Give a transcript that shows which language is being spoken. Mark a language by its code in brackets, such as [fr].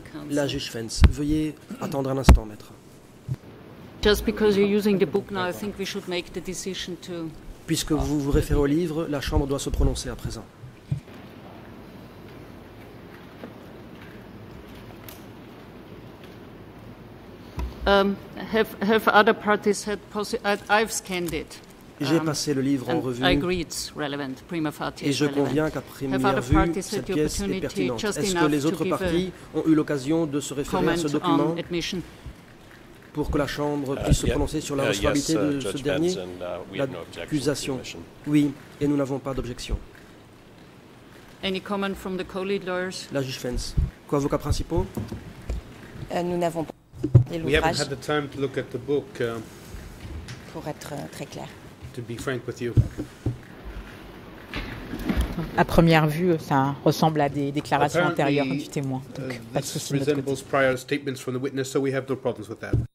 [fr] La juge Fence, veuillez attendre un instant, maître. [en] Just because you're using the book now, I think we should make the decision to. [fr] Puisque vous vous référez au livre, la chambre doit se prononcer à présent. [en] Uh, Have other parties had I've scanned it. [fr] J'ai passé le livre en revue. [en] I agree it's relevant, prima facie. [fr] Et je conviens qu'à première vue, cette pièce est pertinente. Est-ce que les autres parties ont eu l'occasion de se référer à ce document pour que la Chambre puisse se prononcer sur la recevabilité de ce [en] Judge [fr] dernier l'accusation. Oui, et nous n'avons pas d'objection. [en] Any comment from the co-lead lawyers? [fr] La juge Fens. Quoi, avocats principaux? Nous n'avons pas. [en] We haven't had the time to look at the book. [fr] Pour être très clair. [en] To be frank with you. [fr] À première vue, ça ressemble à des déclarations antérieures du témoin. Donc, pas de souci. [en] This resembles prior statements from the witness, so we have no problems with that.